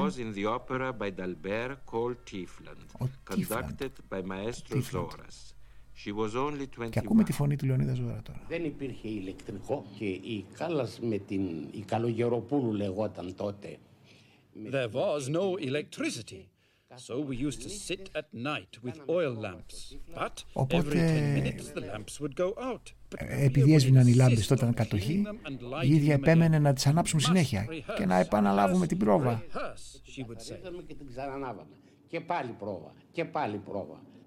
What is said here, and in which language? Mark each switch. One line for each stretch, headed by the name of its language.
English: was in the opera by D'Albert called Tiefland, conducted by Maestro Zoras. She was only 21.
Greek: Και ακούμε τη φωνή του Λεωνίδα Ζόρα τώρα. Δεν υπήρχε ηλεκτρικό και η Κάλλας με την η Καλογεροπούλου λεγόταν τότε.
English: There was no electricity. So we used to sit at night with oil lamps. But
Greek: οπότε,
English: every 10 minutes the lamps would go out.
Greek: Επειδή έσβηναν οι λάμπες τότε κατοχή, η ίδια επέμενε να τις ανάψουμε συνέχεια και να επαναλάβουμε την πρόβα. Και την ξανανάβαμε. Και πάλι πρόβα. Και πάλι πρόβα.